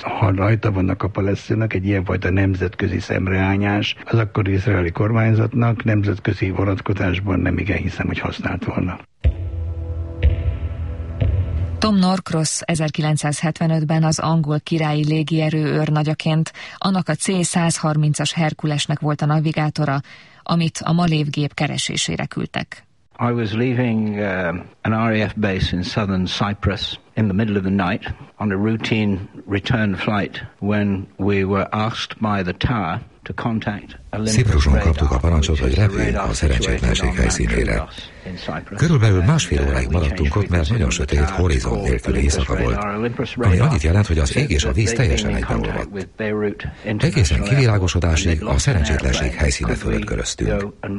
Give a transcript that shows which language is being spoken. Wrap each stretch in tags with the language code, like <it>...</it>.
<hu>Ha rajta vannak a palesztinok, egy ilyen fajta nemzetközi szemreányás, az akkori izraeli kormányzatnak nemzetközi vonatkozásban nem igen hiszem, hogy használt volna. Tom Norcross 1975-ben az angol királyi légierő őrnagyaként, annak a C-130-as Herkulesnek volt a navigátora, amit a malév gép keresésére küldtek.</hu> <en>I was leaving an RAF base in southern Cyprus in the middle of the night on a routine return flight when we were asked by the tower to contact a limited</en> <hu>Cyprus-on kaptuk a parancsot, hogy repüljünk a szerencsétlenség helyszínére. Körülbelül másfél óráig maradtunk ott, mert nagyon sötét, horizont nélküli éjszaka volt, ami annyit jelent, hogy az ég és a víz teljesen egybeolvadt. Egészen kivilágosodásig a szerencsétlenség helyszíne fölött köröztünk.</hu>